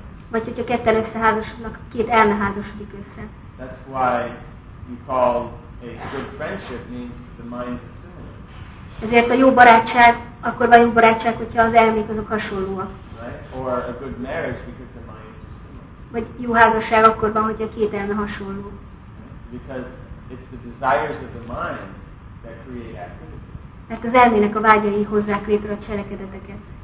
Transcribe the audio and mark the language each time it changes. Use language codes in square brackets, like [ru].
[hu] Vagy hogyha ketten összeházasodnak, két elme házasodik össze. [en] That's why you call a good friendship means the mind is similar. [hu] Ezért a jó barátság, akkor van jó barátság, hogyha az elmék azok hasonlóak. [en] Right? Or a good marriage because the mind is similar. [hu] Vagy jó házasság akkor van, hogyha két elme hasonló. [en] Because it's the desires of the mind that create activity. [hu] Mert az elmének a vágyai hozzák létre a cselekedeteket.